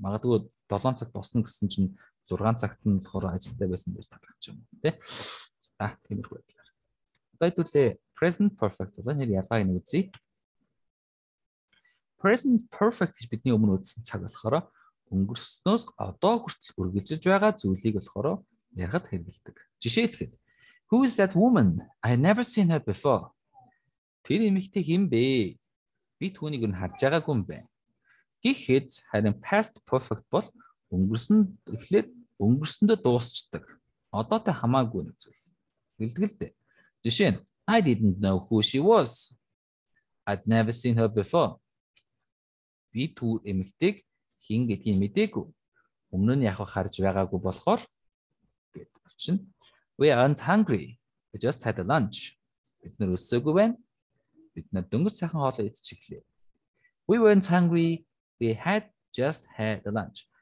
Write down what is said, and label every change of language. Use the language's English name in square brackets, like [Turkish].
[Mongolian] Магадгүй 7 цаг босно гэсэн чинь 6 цагт нь болохоор ажилдаа байсан гэж таарч юм уу, тий? За, тиймэрхүү байдлаар. Одоо хэлээ. Present perfect гэж нэр ялгааг нь үзье. Present perfect гэж бидний өмнө үзсэн цаг болохоор өнгөрснөөс одоо хүртэл үргэлжилж байгаа зүйлийг болохоор ярахад хэрэгэлдэг. Жишээлбэл [English] Who is that woman? I never seen her before. [Mongolian] Тэр эмэгтэй хэн бэ? Би түүнийг өөр харж байгаагүй юм байна. Гэхдээ харин past perfect бол өнгөрсөн эхлээд өнгөрсөндөө дуусчдаг. Одоотой хамаагүй нэг зүйл. Хэлдэгтэй. Жишээ нь [English] I didn't know who she was. I'd never seen her before. [Mongolian] Би түү эмэгтэйг хэн гэдгийг мэдээгүй. Өмнө нь яг харж байгаагүй болохоор гэд өчнө. [English] We aren't hungry. We just had a lunch. [Mongolian] Бид нар өссөгөө байна. Бид нар дөнгөж сайхан хоол идчихлээ. [English] We weren't hungry. We had just had a lunch.